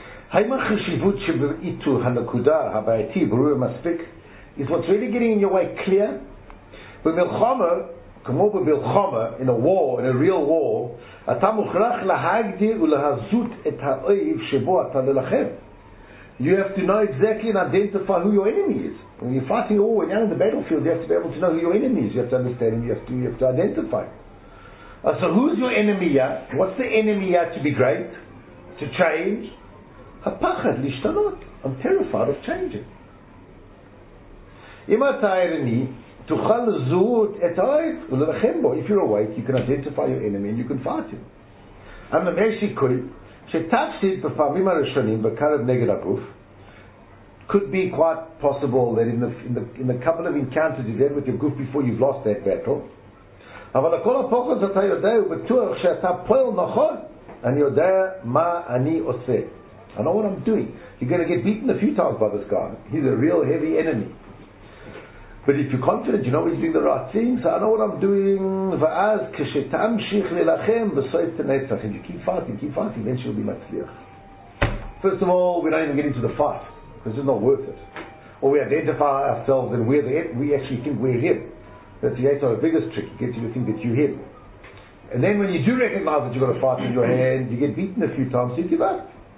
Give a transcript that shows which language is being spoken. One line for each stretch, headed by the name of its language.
Hebrew: האם החשיבות שבראיתו הנקודה הבעייתי ברור מספיק?
English: Is what's really getting in your way clear?
Hebrew: במלחמה, כמו במלחמה,
English: in a war, in a real war,
Hebrew: אתה מוכרח להגדיר ולהזות את האויב שבו אתה ללחם.
English: You have to know exactly and identify who your enemy is. When you're fighting war, when you're on the battlefield, you have to be able to know who your enemy is. You have to understand him, you have to identify. So who's your enemy yet? What's the enemy yet to be great? To change?
Hebrew: הפחד להשתנות.
English: I'm terrified of changing.
Hebrew: אם אתה עירני, תוכל לזהות את האויב וללחם בו.
English: If you're awake, you can identify your enemy and you can fight him.
Hebrew: אבל יש סיכוי שתפסיד בפעמים הראשונים בקרב נגד הגוף,
English: could be quite possible that in the couple of encounters you've had with your goof before you've lost that battle.
Hebrew: אבל לכל הפחד אתה יודע ובטוח שאתה פועל נכון, אני יודע מה אני עושה.
English: I know what I'm doing. You're going to get beaten a few times by this guy. He's a real heavy enemy. But if you're confident, you know he's doing the right thing. So I know what I'm doing.
Hebrew: ואז כשתמשיך ללחם בסוף תנצח.
English: And you keep fighting, then she'll be מצליח. First of all, we don't even get into the fight. Because it's not worth it. Or we identify ourselves and we actually think we're him. That's the Yetzer's biggest trick. It gets you to think that you're him. And then when you do recognize that you've got a fight in your hand, you get beaten a few times, so you give up.